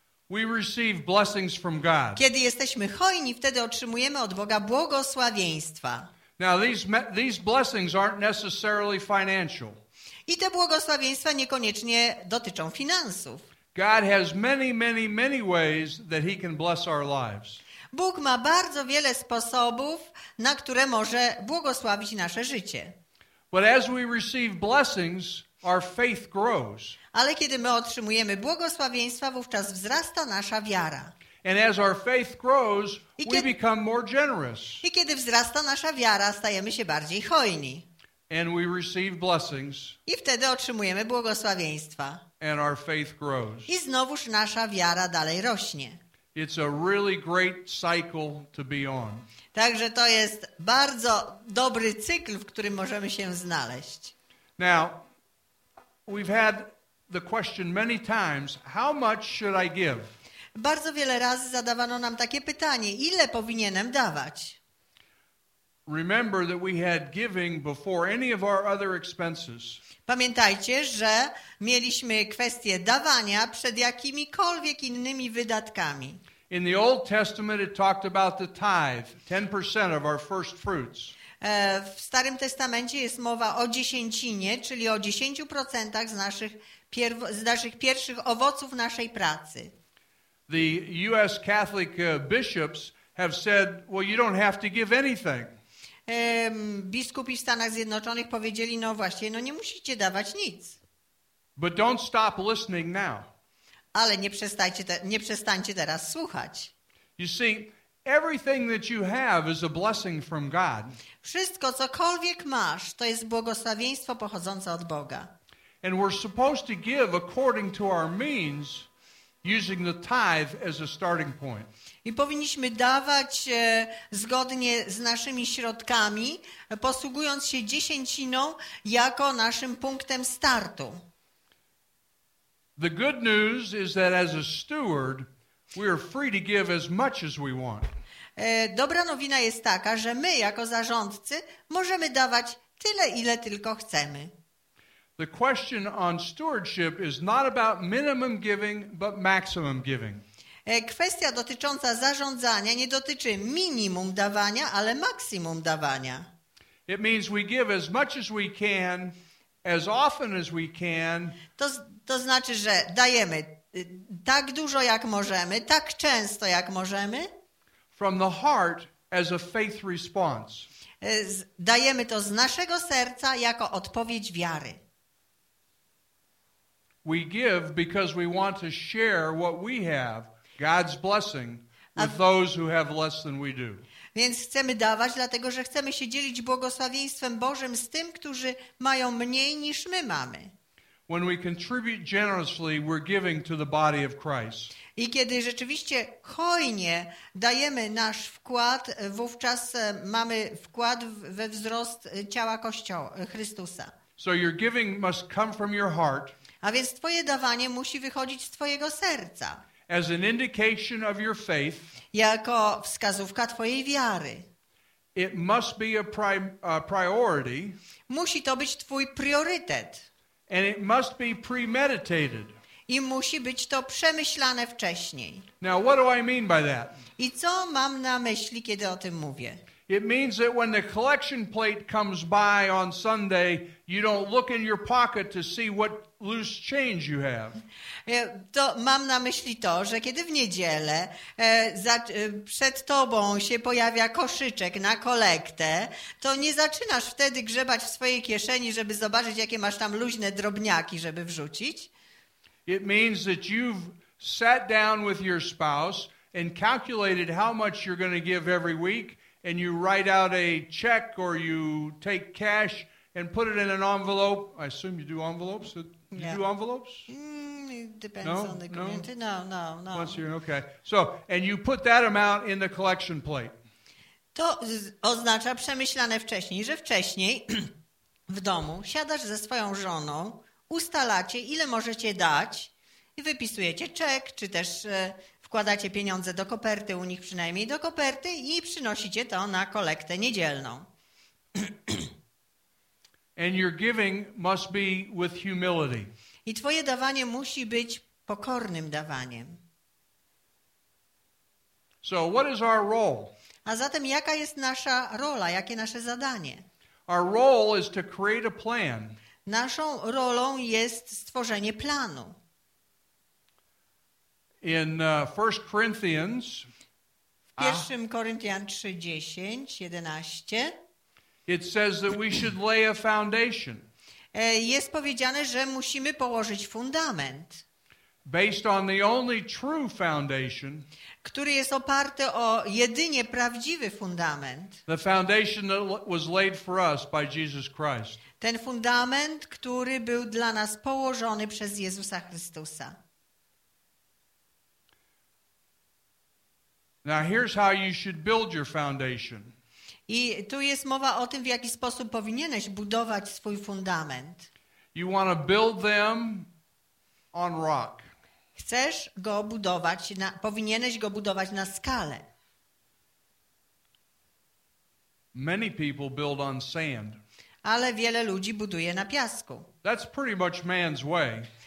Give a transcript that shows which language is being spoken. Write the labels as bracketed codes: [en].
[en] We receive blessings from God. [pl] Kiedy jesteśmy hojni, wtedy otrzymujemy od Boga błogosławieństwa. [en] Now these blessings aren't necessarily financial. [pl] I te błogosławieństwa niekoniecznie dotyczą finansów. [en] God has many, many, many ways that He can bless our lives. [pl] Bóg ma bardzo wiele sposobów, na które może błogosławić nasze życie. [en] But as we receive blessings, our faith grows. [pl] Ale kiedy my otrzymujemy błogosławieństwa, wówczas wzrasta nasza wiara. [en] And as our faith grows, we become more generous. [pl] I kiedy wzrasta nasza wiara, stajemy się bardziej hojni. [en] And we receive blessings. [pl] I wtedy otrzymujemy błogosławieństwa. [en] And our faith grows. [pl] I znowuż nasza wiara dalej rośnie. [en] It's a really great cycle to be on. [pl] Także to jest bardzo dobry cykl, w którym możemy się znaleźć. [en] Now, we've had the question many times, how much should I give? [pl] Bardzo wiele razy zadawano nam takie pytanie, ile powinienem dawać? [en] Remember that we had giving before any of our other expenses. [pl] Pamiętajcie, że mieliśmy kwestię dawania przed jakimikolwiek innymi wydatkami. [en] In the Old Testament it talked about the tithe, 10% of our first fruits. [pl] W Starym Testamencie jest mowa o dziesięcinie, czyli o 10% z naszych pierwszych owoców naszej pracy. [en] The US Catholic bishops have said, well, you don't have to give anything. [pl] Biskupi w Stanach Zjednoczonych powiedzieli, no właśnie, no nie musicie dawać nic. [en] But don't stop listening now. [pl] Ale nie przestańcie teraz słuchać. [en] You see, everything that you have is a blessing from God. [pl] Wszystko, cokolwiek masz, to jest błogosławieństwo pochodzące od Boga. [en] And we're supposed to give according to our means, using the tithe as a starting point. [pl] I powinniśmy dawać zgodnie z naszymi środkami, posługując się dziesięciną jako naszym punktem startu. [en] The good news is that as a steward, we are free to give as much as we want. [pl] Dobra nowina jest taka, że my jako zarządcy możemy dawać tyle, ile tylko chcemy. [en] The question on stewardship is not about minimum giving, but maximum giving. [pl] Kwestia dotycząca zarządzania nie dotyczy minimum dawania, ale maksimum dawania. [en] It means we give as much as we can, as often as we can. [pl] To znaczy, że dajemy tak dużo, jak możemy, tak często, jak możemy. [en] From the heart as a faith response. [pl] Dajemy to z naszego serca jako odpowiedź wiary. [en] We give because we want to share what we have, God's blessing, with those who have less than we do. [pl] Więc chcemy dawać, dlatego że chcemy się dzielić błogosławieństwem Bożym z tym, którzy mają mniej niż my mamy. [en] When we contribute generously, we're giving to the body of Christ. [pl] I kiedy rzeczywiście hojnie dajemy nasz wkład, wówczas mamy wkład we wzrost ciała Kościoła Chrystusa. [en] So your giving must come from your heart. [pl] A więc twoje dawanie musi wychodzić z twojego serca. [en] As an indication of your faith, [pl] jako wskazówka twojej wiary. [en] It must be a priority. [pl] Musi to być twój priorytet. [en] And it must be premeditated. [pl] I musi być to przemyślane wcześniej. [en] Now, what do I mean by that? [pl] I co mam na myśli, kiedy o tym mówię? [en] It means that when the collection plate comes by on Sunday, you don't look in your pocket to see what loose change you have. [pl] To mam na myśli to, że kiedy w niedzielę przed tobą się pojawia koszyczek na kolektę, to nie zaczynasz wtedy grzebać w swojej kieszeni, żeby zobaczyć, jakie masz tam luźne drobniaki, żeby wrzucić. [en] It means that you've sat down with your spouse and calculated how much you're going to give every week, and you write out a check or you take cash and put it in an envelope. I assume you do envelopes. You do envelopes? It depends on the community. Once you're okay. So, and you put that amount in the collection plate. [pl] To oznacza przemyślane wcześniej, że wcześniej w domu siadasz ze swoją żoną, ustalacie, ile możecie dać i wypisujecie czek, czy też wkładacie pieniądze do koperty, u nich przynajmniej do koperty, i przynosicie to na kolektę niedzielną. [en] And your giving must be with humility. [pl] I twoje dawanie musi być pokornym dawaniem. [en] So what is our role? [pl] A zatem jaka jest nasza rola, jakie nasze zadanie? [en] Our role is to create a plan. [pl] Naszą rolą jest stworzenie planu. [en] In 1 Corinthians, [pl] w 1 Koryntian 3, 10, 11, [en] it says that we should lay a foundation. [pl] Jest powiedziane, że musimy położyć fundament. [en] based on the only true foundation, [pl] który jest oparty o jedynie prawdziwy fundament. [en] The foundation that was laid for us by Jesus Christ. [pl] Ten fundament, który był dla nas położony przez Jezusa Chrystusa. [en] Now here's how you should build your foundation. [pl] I tu jest mowa o tym, w jaki sposób powinieneś budować swój fundament. [en] You want to build them on rock. [pl] Chcesz go budować, powinieneś go budować na skalę. [en] Many people build on sand. [pl] Ale wiele ludzi buduje na piasku. [en] That's pretty much man's way.